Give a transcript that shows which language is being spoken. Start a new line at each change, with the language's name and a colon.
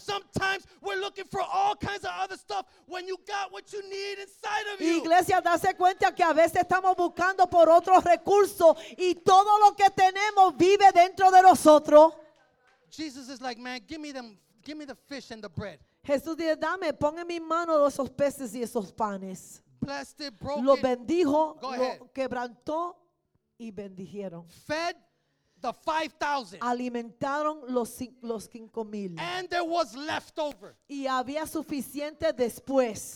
English: Sometimes we're looking for all kinds of other stuff when you got what you need inside of you.
Spanish: Iglesia, dase cuenta que a veces estamos buscando por otros recursos y todo lo que tenemos vive dentro de nosotros.
English: Jesus is like, man, give me the fish and the bread.
Spanish: Jesús dijo, dame, pon en mi mano esos peces y esos panes.
English: Blessed it, broke
Spanish: lo bendijo, lo quebrantó y bendijeron.
English: Fed the 5,000.
Spanish: Alimentaron los 5,000.
English: And there was leftover.
Spanish: Y había suficiente después.